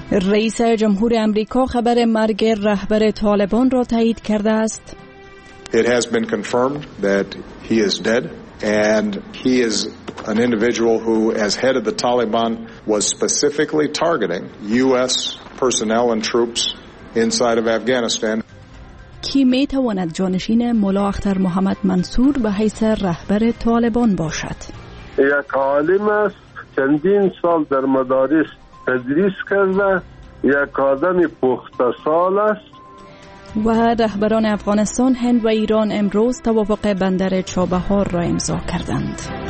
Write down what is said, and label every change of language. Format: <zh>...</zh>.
<fa>رئیس جمهور امریکا خبر مرگ رهبر طالبان را تایید کرده است.</fa> <en>It has been confirmed that he is dead and he is an individual who as head of the Taliban was specifically targeting US personnel and troops inside of Afghanistan.</en> <fa>کی می تواند جانشین ملا اختر محمد منصور به حیث رهبر طالبان باشد؟ یک عالم است، چندین سال در مدارس تدریس کرده، یک آدم پخته سال است. و رهبران افغانستان، هند و ایران امروز توافق بندر چابهار را امضا کردند.</fa>